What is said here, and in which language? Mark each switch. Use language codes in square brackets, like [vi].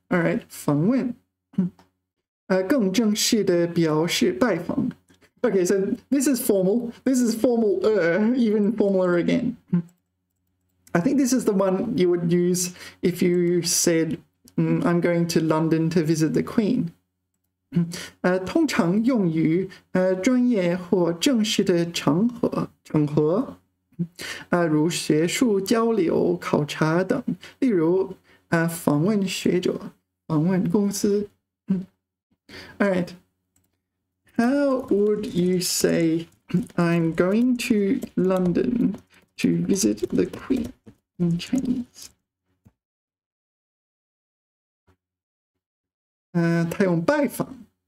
[en] All right, [zh] 访问。更正式的表示拜访。 [en] Okay, so this is formal. This is formal-er, even formaler again. I think this is the one you would use if you said, I'm going to London to visit the Queen. [zh] 通常用于专业或正式的场合，如学术交流、考察等。例如，访问学者，访问公司。 [en] All right. How would you say, I'm going to London to visit the Queen in Chinese? [zh] 他用拜访。